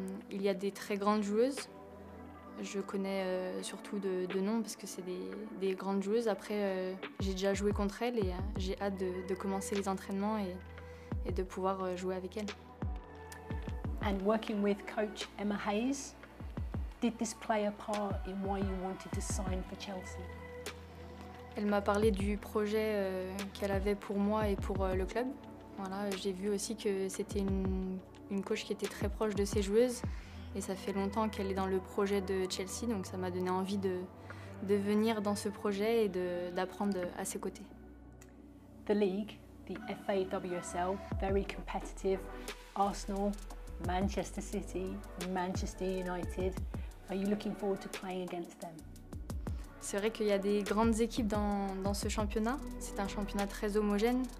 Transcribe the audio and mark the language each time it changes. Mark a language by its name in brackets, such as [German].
[French] Il y a des très grandes joueuses. Je connais surtout de nom parce que c'est des grandes joueuses. Après, j'ai déjà joué contre elles et j'ai hâte de commencer les entraînements et de pouvoir jouer avec elles. [English] And working with coach Emma Hayes, did this play a part in why you wanted to sign for Chelsea? [French] Elle m'a parlé du projet qu'elle avait pour moi et pour le club. Voilà, j'ai vu aussi que c'était une coach qui était très proche de ses joueuses. Et ça fait longtemps qu'elle est dans le projet de Chelsea, donc ça m'a donné envie de venir dans ce projet et d'apprendre à ses côtés. [English] The league, the FAWSL, very competitive. Arsenal, Manchester City, Manchester United. Are you looking forward to playing against them? [French] C'est vrai qu'il y a des grandes équipes dans ce championnat. C'est un championnat très homogène.